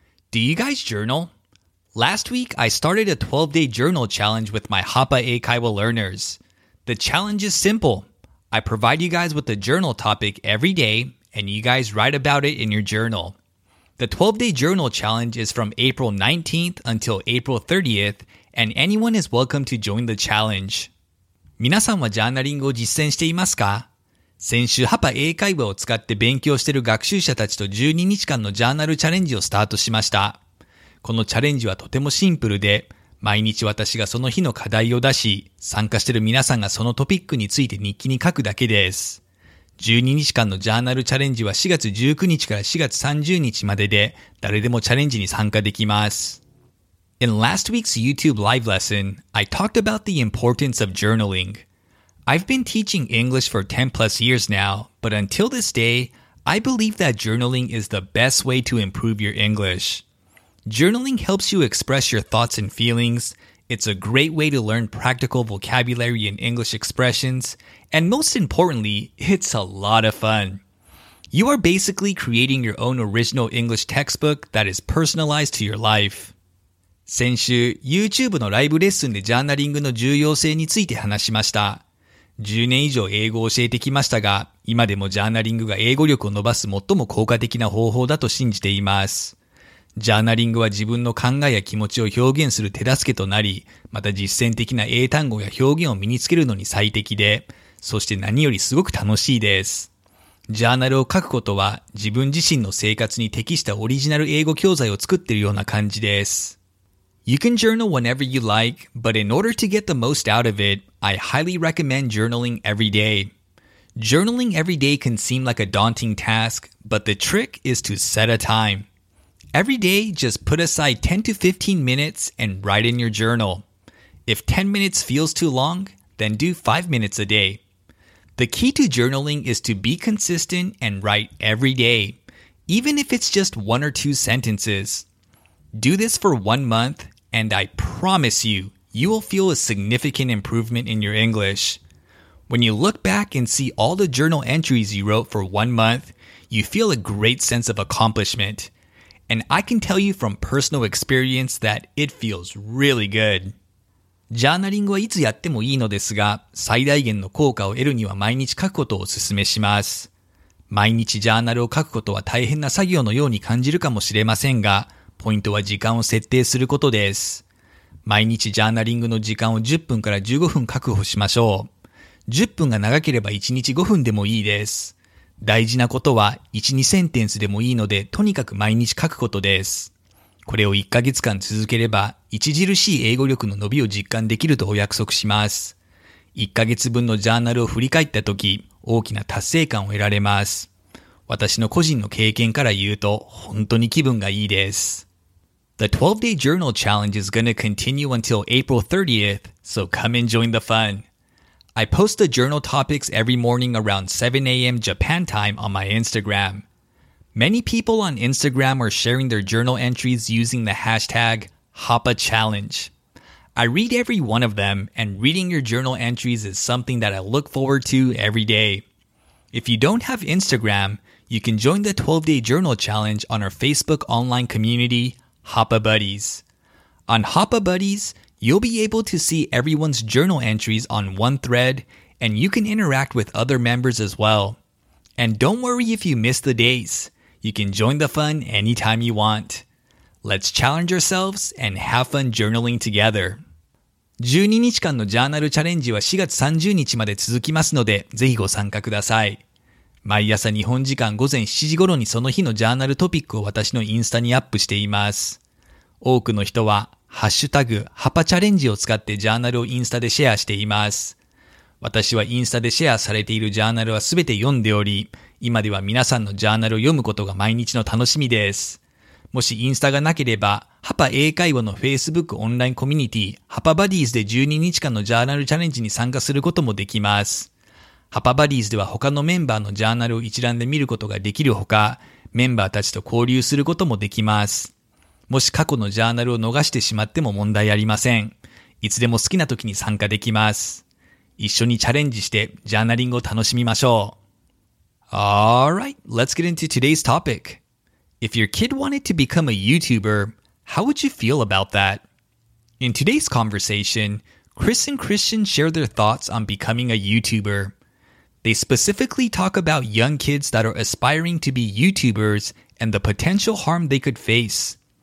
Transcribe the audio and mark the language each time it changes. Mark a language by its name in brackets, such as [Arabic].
[English] Do you guys journal? Last week, I started a 12-day journal challenge with my Hapai Kaiwa learners. The challenge is simple. I provide you guys with a journal topic every day, and you guys write about it in your journal. The 12-day journal challenge is from April 19th until April 30th, and anyone is welcome to join the challenge. [Japanese] 皆さんはジャーナリングを実践していますか?先週ハパ英会話を使って勉強している学習者たちと12日間のジャーナルチャレンジをスタートしました。このチャレンジはとてもシンプルで、毎日私がその日の課題を出し、参加している皆さんがそのトピックについて日記に書くだけです。 12日間のジャーナルチャレンジは4月19日から4月30日までで、誰でもチャレンジに参加できます。 [English] In last week's YouTube live lesson, I talked about the importance of journaling. I've been teaching English for 10 plus years now, but until this day, I believe that journaling is the best way to improve your English. Journaling helps you express your thoughts and feelings. It's a great way to learn practical vocabulary and English expressions. And most importantly, it's a lot of fun. You are basically creating your own original English textbook that is personalized to your life. [Japanese] 先週、YouTube のライブレッスンでジャーナリングの重要性について話しました。 10年以上英語を教えてきましたが、今でもジャーナリングが英語力を伸ばす最も効果的な方法だと信じています。ジャーナリングは自分の考えや気持ちを表現する手助けとなり、また実践的な英単語や表現を身につけるのに最適で、そして何よりすごく楽しいです。ジャーナルを書くことは、自分自身の生活に適したオリジナル英語教材を作っているような感じです。 [English] You can journal whenever you like, but in order to get the most out of it, I highly recommend journaling every day. Journaling every day can seem like a daunting task, but the trick is to set a time. Every day, just put aside 10 to 15 minutes and write in your journal. If 10 minutes feels too long, then do 5 minutes a day. The key to journaling is to be consistent and write every day, even if it's just one or two sentences. Do this for 1 month, and I promise you, you will feel a significant improvement in your English. When you look back and see all the journal entries you wrote for 1 month, you feel a great sense of accomplishment. And I can tell you from personal experience that it feels really good. [Japanese] ジャーナリングはいつやってもいいのですが、最大限の効果を得るには毎日書くことをお勧めします。毎日ジャーナルを書くことは大変な作業のように感じるかもしれませんが、ポイントは時間を設定することです。毎日ジャーナリングの時間を10分から15分確保しましょう。 10分が長ければ1日5分でもいいです。大事なことは、1、2センテンスでもいいので、とにかく毎日書くことです。これを1ヶ月間続ければ、著しい英語力の伸びを実感できるとお約束します。 1ヶ月分のジャーナルを振り返ったとき、大きな達成感を得られます。私の個人の経験から言うと、本当に気分がいいです。 [English] The 12-day journal challenge is gonna continue until April 30th, so come and join the fun. I post the journal topics every morning around 7 a.m. Japan time on my Instagram. Many people on Instagram are sharing their journal entries using the hashtag #HapaChallenge. I read every one of them, and reading your journal entries is something that I look forward to every day. If you don't have Instagram, you can join the 12-day journal challenge on our Facebook online community, Hapa Buddies. On Hapa Buddies,You'll be able to see everyone's journal entries on one thread, and you can interact with other members as well. And don't worry if you miss the days. You can join the fun anytime you want. Let's challenge ourselves and have fun journaling together. [Japanese] 12日間のジャーナルチャレンジは4月30日まで続きますので、ぜひご参加ください。毎朝日本時間午前7時頃にその日のジャーナルトピックを私のインスタにアップしています。多くの人は、ハッシュタグ、ハパチャレンジを使ってジャーナルをインスタでシェアしています。私はインスタでシェアされているジャーナルはすべて読んでおり、今では皆さんのジャーナルを読むことが毎日の楽しみです。もしインスタがなければ、ハパ英会話の Facebook オンラインコミュニティ、ハパバディーズで12日間のジャーナルチャレンジに参加することもできます。ハパバディーズでは他のメンバーのジャーナルを一覧で見ることができるほか、メンバーたちと交流することもできます。もし過去のジャーナルを逃してしまっても問題ありません。いつでも好きな時に参加できます。一緒にチャレンジしてジャーナリングを楽しみましょう。 [English] Alright, let's get into today's topic. If your kid wanted to become a YouTuber, how would you feel about that? In today's conversation, Chris and Christian share their thoughts on becoming a YouTuber. They specifically talk about young kids that are aspiring to be YouTubers and the potential harm they could face.